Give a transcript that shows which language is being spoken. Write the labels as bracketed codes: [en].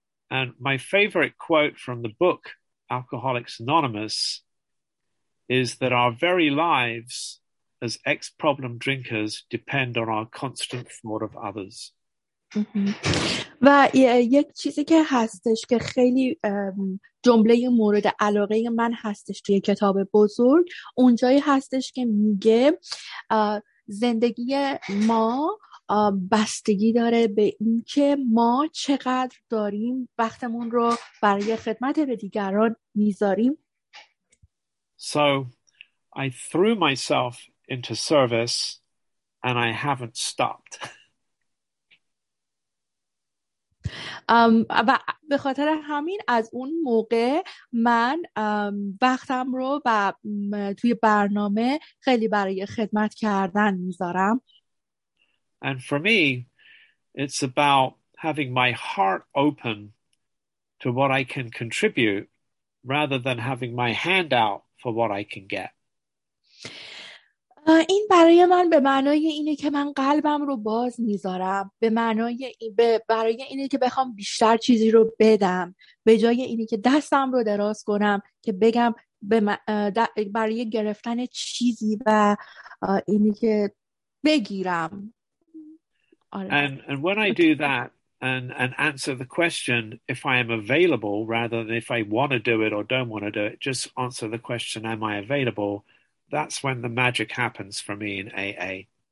[en] And my favorite quote from the book Alcoholics Anonymous is that our very lives as ex-problem drinkers depend on our constant thought of others. [fa] و یک چیزی که هستش که خیلی جمله مورد علاقه من هستش توی کتاب بزرگ اونجایی هستش که میگه زندگی ما بستگی داره به این که ما چقدر داریم وقتمون رو برای خدمت به دیگران میذاریم. [en] So I threw myself into service and I haven't stopped. [fa] و به خاطر همین از اون موقع من وقتم رو و توی برنامه خیلی برای خدمت کردن میذارم. [en] And for me, it's about having my heart open to what I can contribute rather than having my hand out for what I can get. [fa] این برای من به معنای اینه که من قلبم رو باز میذارم به معنای برای اینه که بخوام بیشتر چیزی رو بدم به جای اینه که دستم رو دراز کنم که بگم برای گرفتن چیزی و اینه که بگیرم. [en] And when I do that and answer the question if I am available rather than if I want to do it or don't want to do it, just answer the question am I available, that's when the magic happens for me in AA.